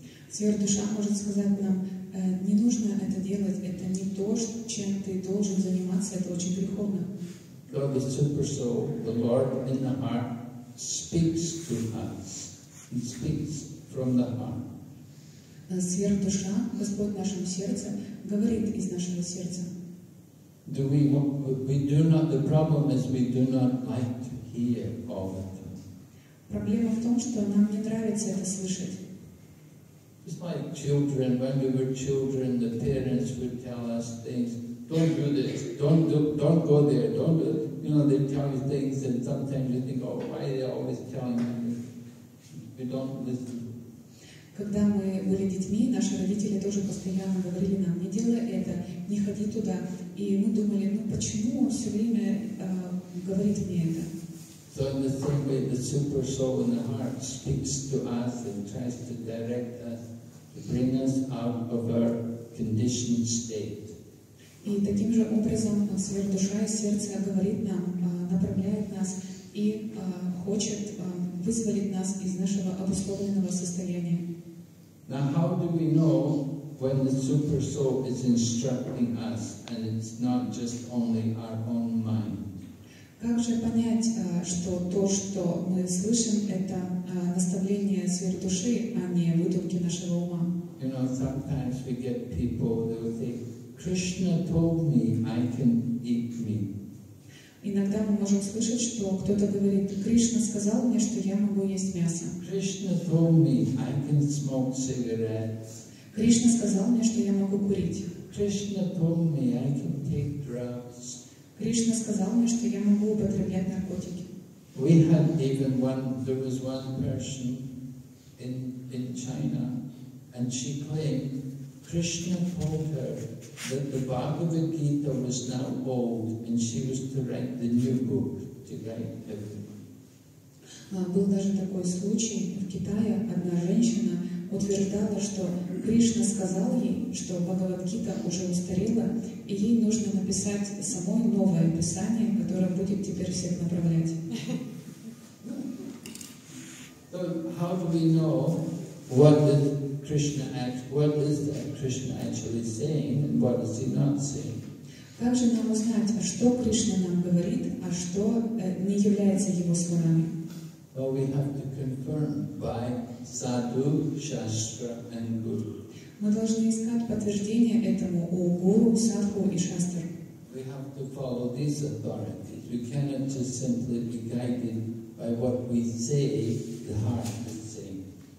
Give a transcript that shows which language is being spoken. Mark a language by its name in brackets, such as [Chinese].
[Russian] Сверхдуша может сказать нам, не нужно это делать, это не то, чем ты должен заниматься, это очень греховно. [English] So the super soul, the Lord in the heart, speaks to us. He speaks from the heart. [Russian] Сверхдуша, Господь в нашем сердце, говорит из нашего сердца. [English] Do we want, we do not, the problem is we do not like to hear all the time. [Russian] Проблема в том, что нам не нравится это слышать. [English] It's like children, when we were children, the parents would tell us things, don't do this, don't go there, don't do this. You know, they tell you things and sometimes you think, oh, why are they always telling me this? We don't listen. [Russian] Когда мы были детьми, наши родители тоже постоянно говорили нам, не делай это, не ходи туда. И мы думали, ну почему он все время говорит мне это? [English] So in the same way, the super soul in the heart speaks to us and tries to direct us, to bring us out of our conditioned state. [Russian] И таким же образом сверхдуша из сердца говорит нам, направляет нас и хочет вызволить нас из нашего обусловленного состояния. [English] Now how do we know when the super soul is instructing us and it's not just only our own mind? [Russian] Как же понять, что то, что мы слышим, это наставление сверхдуши, а не выдумки нашего ума? [English] You know, sometimes we get people who think, Krishna told me I can eat meat. [Russian] Иногда мы можем слышать, что кто-то говорит, Кришна сказал мне, что я могу есть мясо. [English] Krishna told me I can smoke cigarettes. [Russian] Кришна сказал мне, что я могу курить. [English] Krishna told me I can take drugs. [Russian] Кришна сказал мне, что я могу употреблять наркотики. [English] We had even one, there was one person in China, and she claimed Krishna told her that the Bhagavad Gita was now old, and she was to write the new book to guide everyone. [Russian] Был даже такой случай в Китае, одна женщина утверждала, что Кришна сказал ей, что Бхагавад-гита уже устарела, и ей нужно написать самое новое писание, которое будет теперь всех направлять. [English] So how do we know what is Krishna actually, what is that Krishna actually saying and what is he not saying? [Russian] Как же нам узнать, что Кришна нам говорит, а что не является его словами? [English] Well, we have to confirm by sadhu, shastra, and guru. [Russian] Мы должны искать подтверждение этому у гуру, садху и шастры. [English] We have to follow these authorities. We cannot just simply be guided by what we say the heart is saying.